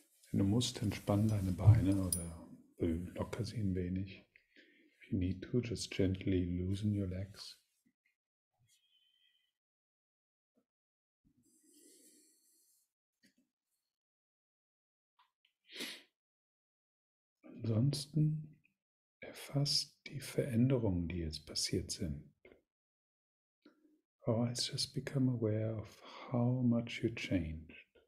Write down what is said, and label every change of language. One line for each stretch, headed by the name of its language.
German: Wenn du musst, entspann deine Beine oder locker sie ein wenig.
English: If you need to, just gently loosen your legs.
German: Ansonsten erfass die Veränderungen, die jetzt passiert sind.
English: Or has just become aware of how much you changed.